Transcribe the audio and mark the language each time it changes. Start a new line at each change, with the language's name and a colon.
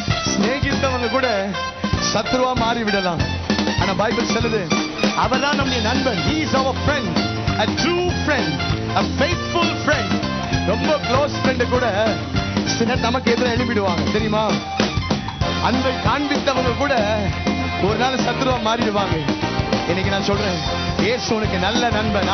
Tamil: ஸ்நேகித்தவங்க கூட சத்ருவா மாறிவிடலாம். ஆனா பைபிள் சொல்லுது அவெல்லாம் நம்முடைய நண்பன்.
English: He is our friend, a true friend, a faithful friend.
Tamil: ரொம்ப க்ளோஸ் ஃப்ரெண்டு கூட சின்ன நமக்கு எதிராக எழுப்பிடுவாங்க தெரியுமா. அந்த காண்பித்தவங்க கூட ஒரு நாள் சத்ருவா மாறிடுவாங்க. இன்னைக்கு நான் சொல்றேன் இயேசு உனக்கு நல்ல நண்பன்.